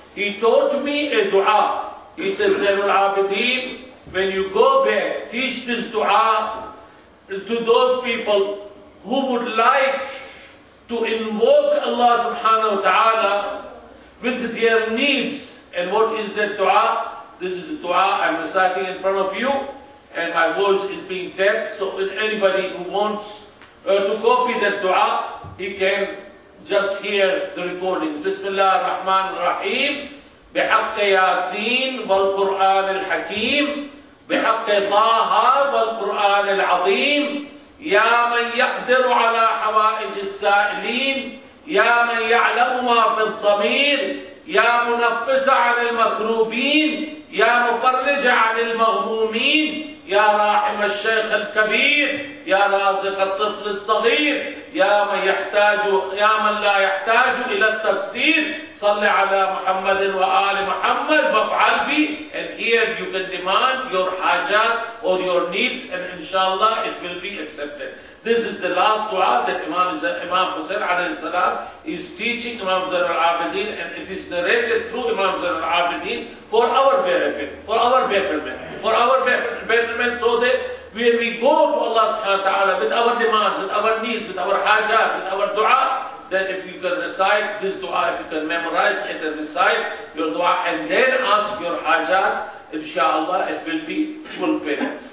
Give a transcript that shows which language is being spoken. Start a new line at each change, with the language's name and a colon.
English: He taught me a dua. He said, Zainul Abideen, when you go back, teach this dua to those people who would like to invoke Allah subhanahu wa ta'ala with their needs. And what is that dua? This is the dua I'm reciting in front of you, and my voice is being tapped. So if anybody who wants to copy that dua, he can just hear the recording. Bismillah ar-Rahman ar-Rahim.
Arabic: بحق ياسين والقرآن الحكيم بحق طه والقرآن العظيم يا من يقدر على حوائج السائلين يا من يعلم ما في الضمير يا منفس عن المكروبين يا مفرج عن المغمومين يا راحم الشيخ الكبير يا رازق الطفل الصغير يا من لا يحتاج إلى التفسير صل على محمد وآل محمد وافعل بي.
English: And here you can demand your hajat or your needs, and inshallah it will be accepted. This is the last dua that Imam Hussain alayhi salam is teaching Imam Zain al-Abidin, and it is narrated through Imam Zain al-Abidin for our benefit, for our betterment, for our betterment, so that when we go to Allah subhanahu wa ta'ala with our demands, with our needs, with our hajat, with our dua, then if you can recite this dua, if you can memorize it and recite your dua and then ask your hajat, inshallah it will be fulfilled.